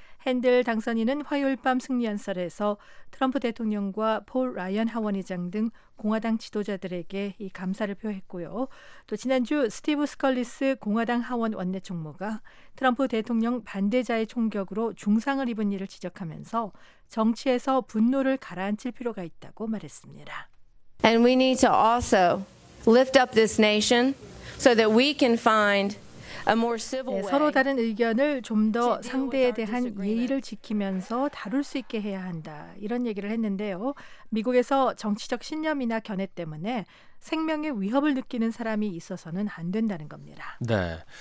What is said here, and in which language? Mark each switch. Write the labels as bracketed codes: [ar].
[ko] 핸들 당선인은 화요일 밤 승리연설에서 트럼프 대통령과 폴 라이언 하원의장 등 공화당 지도자들에게 이 감사를 표했고요. 또 지난주 스티브 스컬리스 공화당 하원 원내총무가 트럼프 대통령 반대자의 총격으로 중상을 입은 일을 지적하면서 정치에서 분노를 가라앉힐 필요가 있다고 말했습니다. [en] And we need to also lift up this nation so that we can find [ko] 네, 서로 다른 의견을 좀 더 상대에 대한 예의를 지키면서 다룰 수 있게 해야 한다, 이런 얘기를 했는데요. 미국에서 정치적 신념이나 견해 때문에 생명의 위협을 느끼는 사람이 있어서는 안 된다는 겁니다. 네.